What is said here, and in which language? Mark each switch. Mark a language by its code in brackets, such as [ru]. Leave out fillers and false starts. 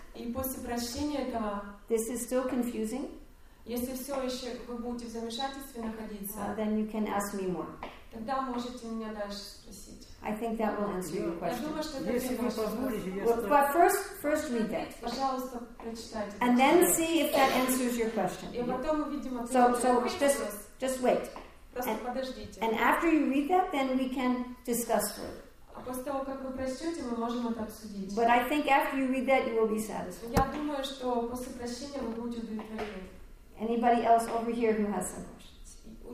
[ru] и после прочтения этого, [en] this is still confusing. [ru] Если все еще вы будете в замешательстве находиться, [en] then you can ask me more. [ru] Тогда можете меня дальше спросить. [en] I think that will answer your question. [ru] Я думаю, что это если вы позволите, [en] But first read that. [ru] Пожалуйста, прочитайте. [en] And then see if that answers your question. [ru] И потом увидим ответ. [en] So just wait. [ru] Просто подождите. [en] And after you read that, then we can discuss further. [ru] А после того, как вы прочтете, мы можем это обсудить. [en] But I think after you read that, you will be satisfied. [ru] Я думаю, что после прочтения вы будете удовлетворены. [en] Anybody else over here who has some questions?